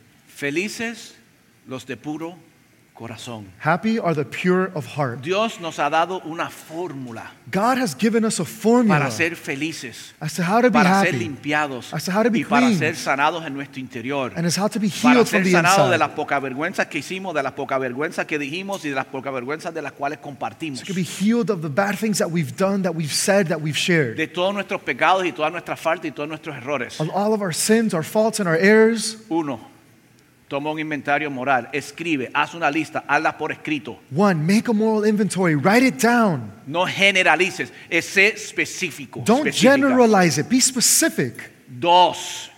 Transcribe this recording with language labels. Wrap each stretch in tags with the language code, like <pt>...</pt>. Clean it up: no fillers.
<es>Felices los de puro corazón.</es> <en>Happy are the pure of heart.</en> <es>Dios nos ha dado una fórmula.</es> <en>God has given us a formula.</en> <es>Para ser felices.</es> <en>As to how to be</en> <es>para</es> <en>happy.</en> <es>Ser limpiados.</es> <en>As to how to be</en> <es>y para</es> <en>clean.</en> <es>Ser sanados en nuestro interior.</es> <en>And as how to be healed from the inside.</en> <es>Para ser sanados de las poca vergüenzas que hicimos, de las poca vergüenzas que dijimos y de las poca vergüenzas de las cuales compartimos.</es> <en>So to be healed of the bad things that we've done, that we've said, that we've shared.</en> <es>De todos nuestros pecados y todas nuestras faltas y todos nuestros errores.</es> <en>Of all of our sins, our faults and our errors.</en> <es>Uno. Toma un inventario moral, escribe, haz una lista, hazla por escrito.</es> <en>One, make a moral inventory, write it down.</en> <es>No generalices, sé específico.</es> <en>Don't generalize it, be specific.</en> <es>Dos.</es>